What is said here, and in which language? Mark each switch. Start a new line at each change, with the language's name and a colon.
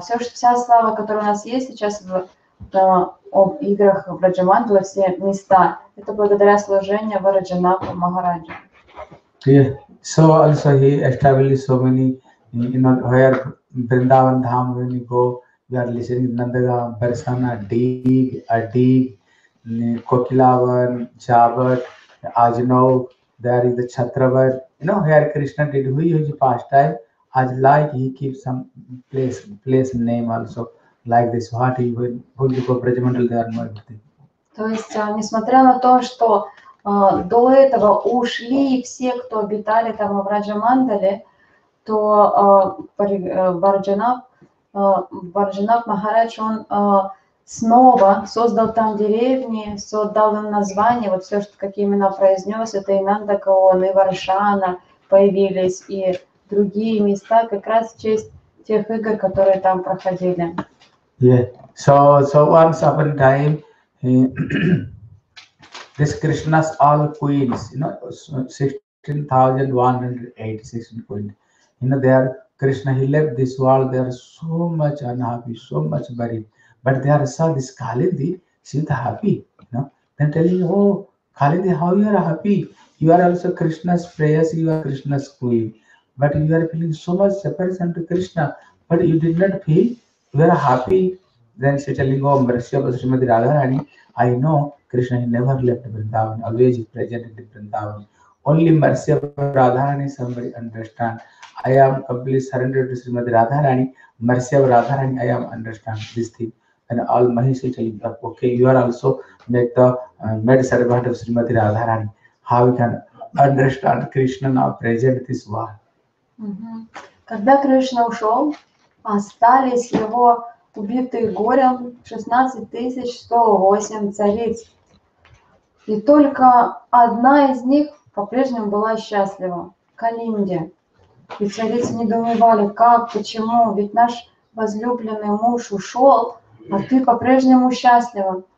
Russian: Вся слава, которая у нас есть сейчас об играх в Враджамандале, все места, это благодаря служению Враджанава Махараджа.
English: So also he established so many, you know, where Vrindavan Dham, when you go, you are listening to Nandaga, Barsana, Adig, Kokilavan, Javat, Ajnav, there is the Chhatravar. You know, where Krishna did, who is the pastime? As like he keeps some place name also, like this, what he will, who you go, Brajamandal, they are not everything.
Russian: То есть, несмотря на то, что до этого ушли все, кто обитали там в Враджамандале, то Барджанав Махарадж, он снова создал там деревни, создал им название, вот все, что какие имена произнес, это и Нандакаон, и Варшана появились, и другие места, как раз в честь тех игр, которые там проходили.
English: Yeah. So once upon a time, this Krishna's all queens, you know, 16,186 queens. You know, there Krishna, he left this world, they are so much unhappy, so much buried. But they are saw this Kalindi, she's happy, you know. Then telling, oh, Kalindi, how you are happy? You are also Krishna's prayers, you are Krishna's queen. But you are feeling so much separation to Krishna, but you did not feel, you are happy. Then she telling, oh, mercy of Srimati Radharani, I know. Krishna never left Vrindavan, always present in Vrindavan. Only mercy of Radharani, somebody understand. I am completely surrendered to Srimati Radharani. Mercy of Radharani, I am understand this thing. And all Mahesh is telling, okay, you are also make the made servant of Srimati Radharani. How you can understand Krishna now present this world? Mm-hmm.
Russian: Когда Кришна ушел, остались его убитые горем 16108 цариц. И только одна из них по-прежнему была счастлива, Калинди. И царицы недоумевали, как, почему, ведь наш возлюбленный муж ушел, а ты по-прежнему счастлива.